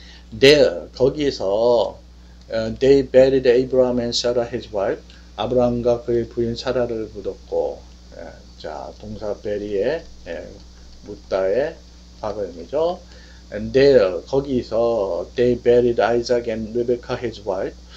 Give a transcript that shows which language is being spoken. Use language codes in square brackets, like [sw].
[en] There 거기에서 they buried Abraham and Sarah his wife. [ko] 아브라함과 그의 부인 사라를 묻었고, 예. 자 동사 bury에 예. 묻다의 과거형이죠. [en] And there 거기서 they buried Isaac and Rebekah his wife.